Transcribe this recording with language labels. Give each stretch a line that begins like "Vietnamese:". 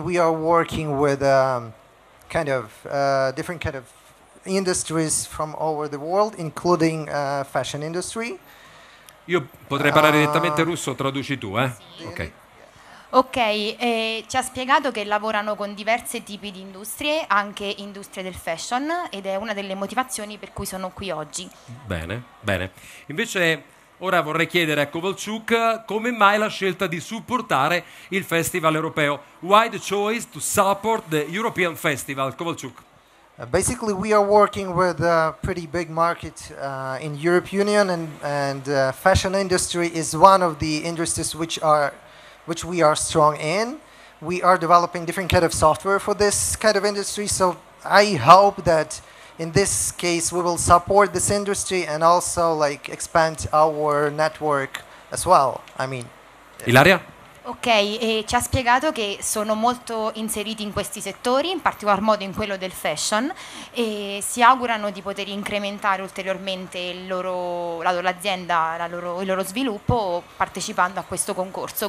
English: We are working with different kind of industries from all over the world, including fashion industry.
Italian: Io potrei parlare direttamente russo, traduci tu, eh? Ok. Ok, ci ha spiegato che lavorano con diversi tipi di industrie, anche industrie del fashion, ed è una delle motivazioni per cui sono qui oggi. Bene, bene. Invece ora vorrei chiedere a Kovalchuk come mai la scelta di supportare il Festival Europeo.
English: Why the choice to support the European Festival, Kovalchuk? Basically, we are working with a pretty big market in Europe Union, and fashion industry is one of the industries which we are strong in. We are developing different kind of software for this kind of industry, so I hope that in this case we will support this industry and also like expand our network as well. I mean, Ilaria?
Italian: Ok, e ci ha spiegato che sono molto inseriti in questi settori, in particolar modo in quello del fashion, e si augurano di poter incrementare ulteriormente l'azienda, il loro sviluppo partecipando a questo concorso.